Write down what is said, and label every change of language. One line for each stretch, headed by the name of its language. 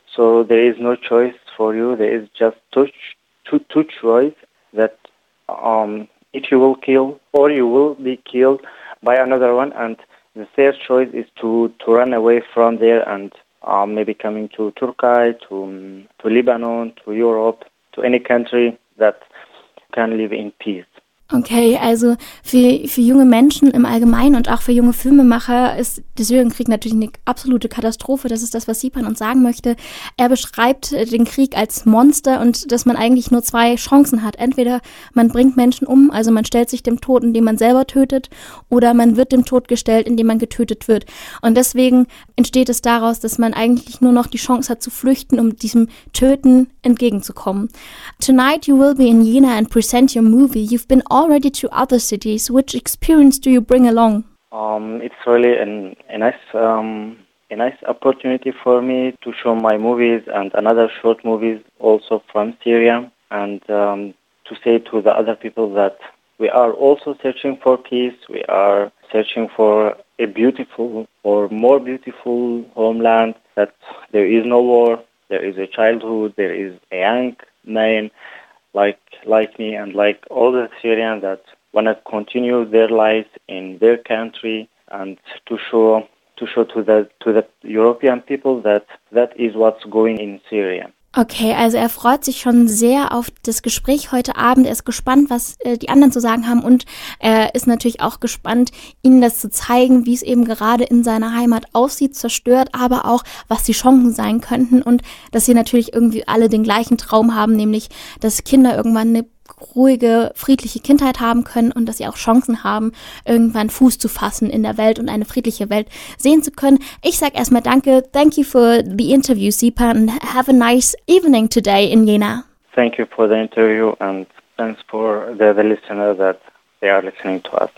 English: So there is no choice for you. There is just two choices that if you will kill or you will be killed by another one. And the third choice is to run away from there and maybe coming to Turkey, to Lebanon, to Europe, to any country that can live in peace.
German: Okay, also für junge Menschen im Allgemeinen und auch für junge Filmemacher ist der Syrienkrieg natürlich eine absolute Katastrophe. Das ist das, was Sipan uns sagen möchte. Er beschreibt den Krieg als Monster und dass man eigentlich nur zwei Chancen hat. Entweder man bringt Menschen um, also man stellt sich dem Tod, indem man selber tötet, oder man wird dem Tod gestellt, indem man getötet wird. Und deswegen entsteht es daraus, dass man eigentlich nur noch die Chance hat zu flüchten, um diesem Töten entgegenzukommen.
English: Tonight you will be in Jena and present your movie. You've been already to other cities. Which experience do you bring along? It's really a nice opportunity for me to show my movies and another short movies also from Syria, and to say to the other people that we are also searching for peace. We are searching for a beautiful or more beautiful homeland, that there is no war. There is a childhood, there is a young man like me and like all the Syrians that want to continue their lives in their country, and to show to the European people that is what's going in Syria.
German: Okay, also er freut sich schon sehr auf das Gespräch heute Abend. Er ist gespannt, was die anderen zu sagen haben, und er ist natürlich auch gespannt, ihnen das zu zeigen, wie es eben gerade in seiner Heimat aussieht, zerstört, aber auch, was die Chancen sein könnten, und dass sie natürlich irgendwie alle den gleichen Traum haben, nämlich, dass Kinder irgendwann eine ruhige, friedliche Kindheit haben können und dass sie auch Chancen haben, irgendwann Fuß zu fassen in der Welt und eine friedliche Welt sehen zu können. Ich sag erstmal danke.
English: Thank you for the interview, Sipan, and have a nice evening today in Jena. Thank you for the interview and thanks for the listeners that they are listening to us.